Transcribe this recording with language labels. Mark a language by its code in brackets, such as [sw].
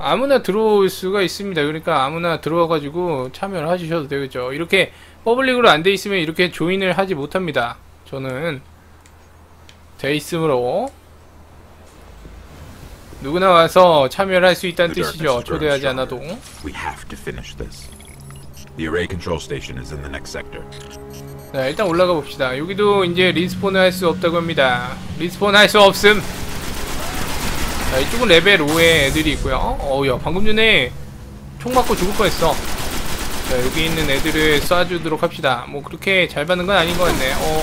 [ko] 아무나 들어올 수가 있습니다. 그러니까 아무나 들어와 가지고 참여를 하셔도 되겠죠. 이렇게 퍼블릭으로 안 돼 있으면 이렇게 조인을 하지 못합니다. 저는 돼 있으므로 누구나 와서 참여를 할 수 있다는 뜻이죠. 초대하지 않아도. [en] We have to finish this. The array control station is in the next sector. [ko] 자, 일단 올라가 봅시다. 여기도 이제 리스폰을 할 수 없다고 합니다. 리스폰 할 수 없음. 자, 이쪽은 레벨 5의 애들이 있고요. 어우야, 방금 전에 총 맞고 죽을 뻔했어. 자, 여기 있는 애들을 쏴주도록 합시다. 뭐 그렇게 잘 받는 건 아닌 것 같네.